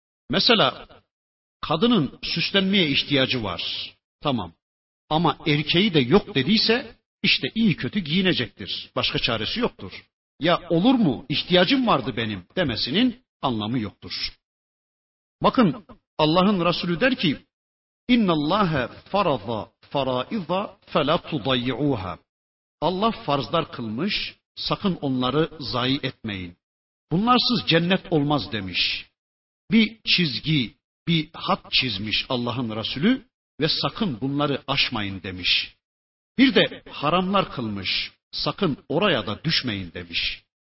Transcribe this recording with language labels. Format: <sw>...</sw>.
<tr>Mesela kadının süslenmeye ihtiyacı var. Tamam. Ama erkeği de yok dediyse işte iyi kötü giyinecektir. Başka çaresi yoktur. Ya olur mu, ihtiyacım vardı benim demesinin anlamı yoktur. Bakın Allah'ın Resulü der ki</tr> <ar>اِنَّ اللّٰهَ فَرَضَ فَرَائِضَ فَلَا تُضَيِّعُوهَا.</ar> <tr>Allah farzlar kılmış, sakın onları zayi etmeyin. Bunlarsız cennet olmaz demiş. Bir çizgi, bir hat çizmiş Allah'ın Resulü ve sakın bunları aşmayın demiş. Bir de haramlar kılmış, sakın oraya da düşmeyin demiş.</tr>